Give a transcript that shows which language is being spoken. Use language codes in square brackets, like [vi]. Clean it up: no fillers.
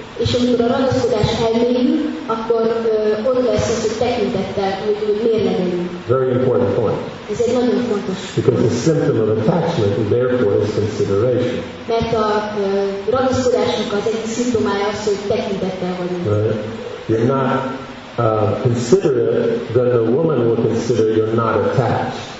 [hu] És amikor a ragaszkodás elmélyül, akkor ott lesz az, hogy tekintettel, hogy mérlegelünk. [en] Very important point. [hu] Ez egy nagyon fontos. [en] Because the symptom of attachment, therefore, is consideration. [hu] Mert a ragaszkodásnak az egyik szimptomája az, hogy tekintettel vagyunk. [en] Right. You're not considerate, then the woman will consider you're not attached.